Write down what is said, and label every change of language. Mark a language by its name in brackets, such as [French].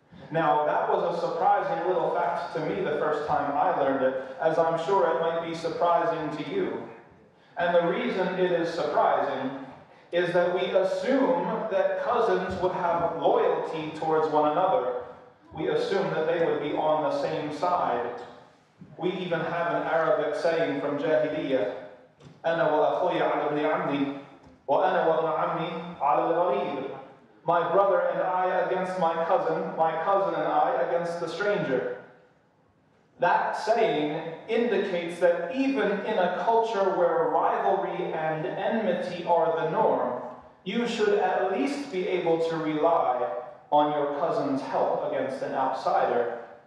[English] Now, that was a surprising little fact to me the first time I learned it, as I'm sure it might be surprising to you. And the reason it is surprising is that we assume that cousins would have loyalty towards one another. We assume that they would be on the same side. We even have an Arabic saying from Jahiliyyah, [Arabic] أَنَا وَأَخُوِيَ عَلَى ابْنِ عَمِّي وَأَنَا وَأَنَا عَمِّي عَلَى الْغَرِيبِ. [English] My brother and I against my cousin and I against the stranger. That saying indicates that even in a culture where rivalry and enmity are the norm, you should at least be able to rely on your cousin's help against an outsider.